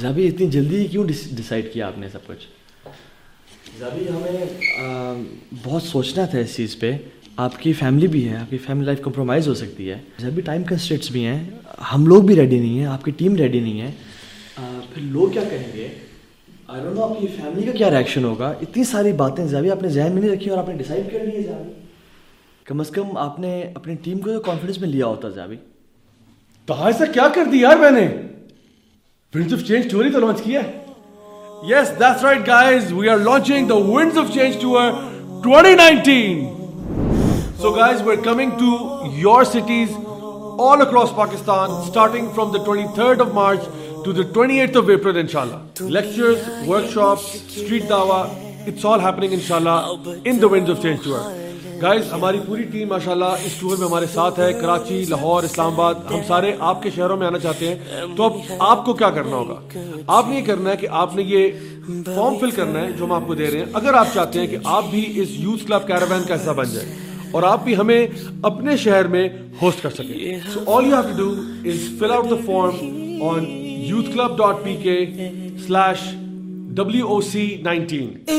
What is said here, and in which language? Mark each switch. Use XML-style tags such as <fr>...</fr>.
<ur>زابی اتنی جلدی کیوں ڈیسائیڈ کیا آپ نے سب کچھ؟ زابی ہمیں بہت سوچنا تھا اس چیز پہ، آپ کی فیملی بھی ہے، آپ کی فیملی لائف کمپرومائز ہو سکتی ہے، زابی ٹائم کنسٹرینٹس بھی ہیں، ہم لوگ بھی ریڈی نہیں ہیں، آپ کی ٹیم ریڈی نہیں ہے، پھر لوگ کیا کہیں گے،</ur> <en>I don't know</en> <ur>آپ کی فیملی کا کیا ریئیکشن ہوگا، اتنی ساری باتیں زابی آپ نے ذہن میں نہیں رکھی اور آپ نے ڈیسائڈ کر لیے۔ زابی کم از کم آپ نے اپنی ٹیم کو تو کانفیڈینس میں لیا ہوتا۔ زابی تو ایسا کیا کر دیا یار میں نے، Winds of Change tour hi to launch kiya.</ur> <en>Yes, that's right guys, we are launching the Winds of Change tour 2019. So guys, we're coming to your cities all across Pakistan starting from the 23rd of March to the 28th of April inshallah. Lectures, workshops, street dawa, it's all happening inshallah in the Winds of Change tour.</en> <ur>Guys ہماری پوری team ماشاء اللہ اس tour میں ہمارے ساتھ ہے، کراچی، لاہور، اسلام آباد، ہم سارے آپ کے شہروں میں آنا چاہتے ہیں۔ تو اب آپ کو کیا کرنا ہوگا، آپ نے یہ کرنا ہے کہ آپ نے یہ فارم فل کرنا ہے جو ہم آپ کو دے رہے ہیں، اگر آپ چاہتے ہیں کہ آپ بھی اس یوتھ کلب کیروان کا حصہ بن جائیں اور آپ بھی ہمیں اپنے شہر میں ہوسٹ کر سکیں۔</ur> <en>so all you have to do is fill out the form on</en> <ur>youthclub.pk/WOC19،</ur>